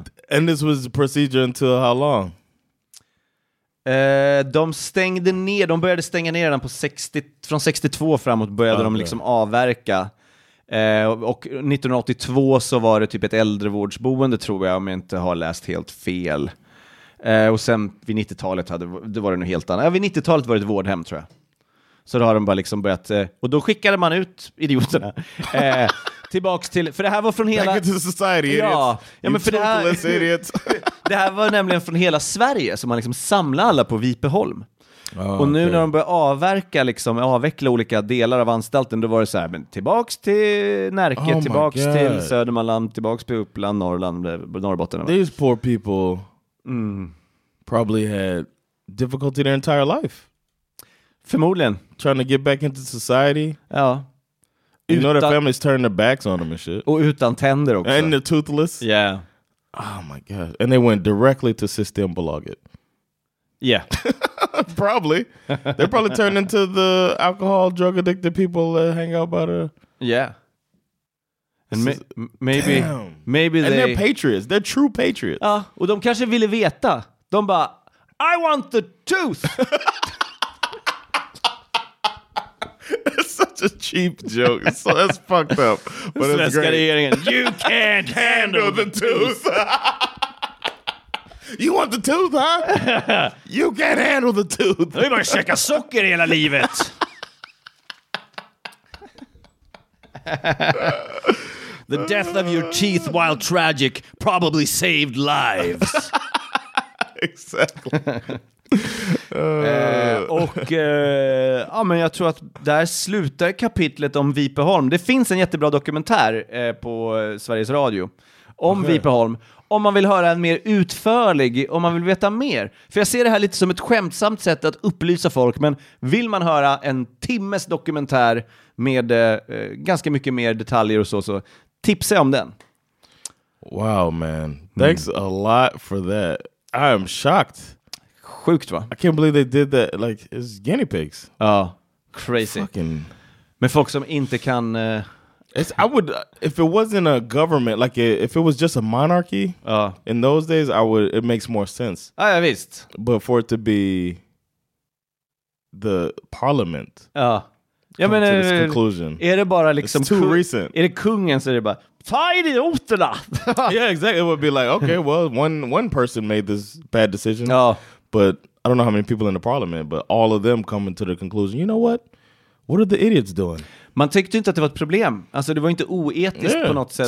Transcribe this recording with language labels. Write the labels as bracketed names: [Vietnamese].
[English] And this was the procedure until how long? [Swedish] De stängde ner. De började stänga ner den på 60, från 62 framåt började de liksom avverka. Och 1982 så var det typ ett äldrevårdsboende, tror jag, om jag inte har läst helt fel. Och sen vid 90-talet var det nog helt annat. Ja, vid 90-talet var det ett vårdhem, tror jag. Så då har de bara liksom börjat... och då skickade man ut idioterna. Tillbaks till, för det här var från hela... [English] Back into society, idiots. [Swedish] Ja, men för [English] idiots. [Swedish] Det här var nämligen från hela Sverige, som man liksom samlade alla på Vipeholm. Och nu när de började avveckla olika delar av anstalten, då var det så här, men tillbaks till Närke, tillbaks till Södermanland, tillbaks till Uppland, Norrland, Norrbotten. [English] These poor people probably had difficulty their entire life. [Swedish] Förmodligen. [English] Trying to get back into society. [Swedish] Ja. [English] You know their families turn their backs on them and shit. [Swedish] Och utan tänder också. [English] And the toothless. Yeah. Oh my god. And they went directly to Systembolaget. Yeah. Probably. They probably turned into the alcohol, drug addicted people that hang out by the... Yeah. And maybe... Damn. Maybe and they... And they're patriots. They're true patriots. [Swedish] Ja, och de kanske ville veta. De bara, [English] I want the tooth! A cheap joke. So that's fucked up. But it's [Swedish] Svenska regeringen. [English] You can't handle the tooth. You want the tooth, huh? You can't handle the tooth. [Swedish] Vi bara käka socker hela livet. [English] The death of your teeth, while tragic, probably saved lives. [Swedish] Exakt. Och ja, men jag tror att där slutar kapitlet om Vipeholm. Det finns en jättebra dokumentär på Sveriges Radio om Vipeholm. Om man vill höra en mer utförlig, om man vill veta mer. För jag ser det här lite som ett skämtsamt sätt att upplysa folk. Men vill man höra en timmes dokumentär med ganska mycket mer detaljer och så, så tipsa om den. [English] Wow, man. Thanks a lot for that. I am shocked. [Swedish] Sjukt, va? [English] I can't believe they did that. Like, it's guinea pigs. [Swedish] Ja, crazy. [English] Fucking... [Swedish] Men folk som inte kan... [English] It's, I would, if it wasn't a government, like if it was just a monarchy, in those days, I would, it makes more sense. [Swedish] Ah, ja, visst. [English] But for it to be the parliament, [Swedish] ja, men, [English] to this conclusion, [Swedish] är det bara liksom [English] it's too recent. [Swedish] Är det kungen så är det bara, ta idioterna! [English] Yeah, exactly. It would be like, okay, well, one person made this bad decision, [Swedish] ja. [English] But I don't know how many people in the parliament, but all of them coming to the conclusion, you know what? What are the idiots doing? [Swedish] Man tyckte inte att det var ett problem. Alltså det var inte oetiskt på något sätt.